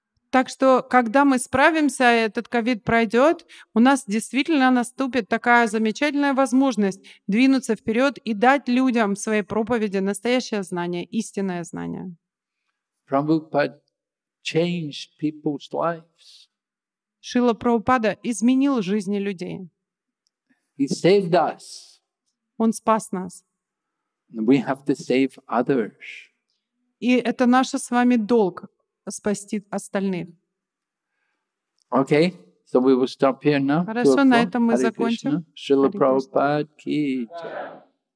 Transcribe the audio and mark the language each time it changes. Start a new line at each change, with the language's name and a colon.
Russian: Так что, когда мы справимся, этот ковид пройдет, у нас действительно наступит такая замечательная возможность двинуться вперед и дать людям в своей проповеди настоящее знание, истинное знание.
English: Prabhupada changed people's lives.
Russian: Шрила Прабхупада изменил жизни людей.
English: He saved us.
Russian: Он спас нас.
English: We have to save others.
Russian: И это наша с вами долг — спасти остальных.
English: Okay, so we will stop here now.
Russian: Хорошо, на этом мы закончим. Шрила Прабхупада ки джай.